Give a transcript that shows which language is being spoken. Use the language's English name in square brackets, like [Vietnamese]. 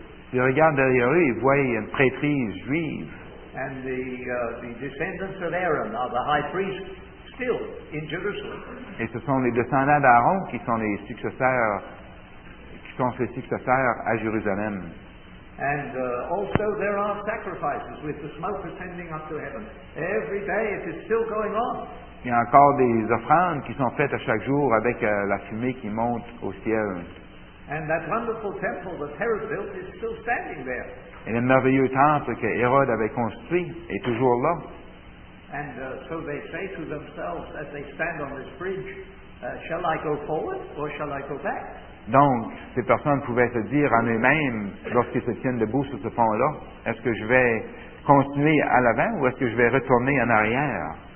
[French] Si regardent derrière eux, ils voient une prêtrise juive. [English] And the descendants of Aaron are the high priest still in Jerusalem. [French] Et ce sont les descendants d'Aaron qui sont ses successeurs à Jérusalem. [English] And also there are sacrifices with the smoke ascending up to heaven. Every day it is still going on. [French] Il y a encore des offrandes qui sont faites à chaque jour avec la fumée qui monte au ciel. [English] And that wonderful temple that Herod built is still standing there. [French] Et le merveilleux temple que Hérod avait construit est toujours là. [English] And so they say to themselves as they stand on this bridge, shall I go forward or shall I go back? [French] Donc, ces personnes pouvaient se dire en eux-mêmes, lorsqu'ils se tiennent debout sur ce pont-là, est-ce que je vais continuer à l'avant ou est-ce que je vais retourner en arrière?